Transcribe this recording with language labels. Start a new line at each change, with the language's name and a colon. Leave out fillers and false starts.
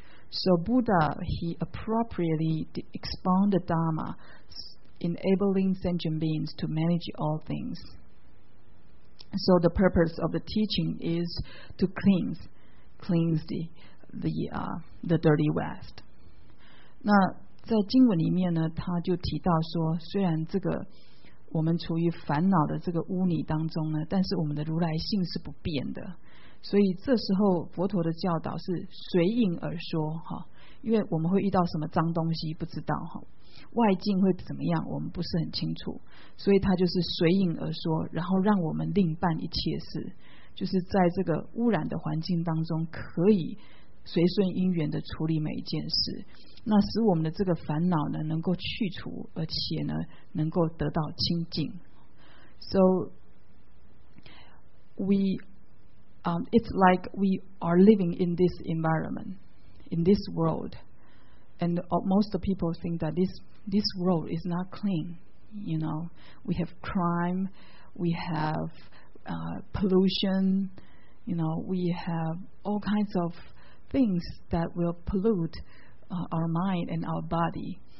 English: So Buddha, he appropriately expounded the Dharma, enabling sentient beings to manage all things. So the purpose of the teaching is to cleanse the dirty west.
Chinese: 那在经文里面呢，他就提到说，虽然这个我们处于烦恼的这个污泥当中呢，但是我们的如来性是不变的。所以这时候佛陀的教导是随应而说哈。因为我们会遇到什么脏东西不知道，外境会怎么样我们不是很清楚，所以他就是随应而说，然后让我们另办一切事，就是在这个污染的环境当中可以随顺因缘的处理每一件事，那使我们的这个烦恼呢能够去除，而且呢能够得到清净。
English: So it's like we are living in this environment, in this world, and most people think that this world is not clean. You know, we have crime, we have pollution, you know, we have all kinds of things that will pollute our mind and our body.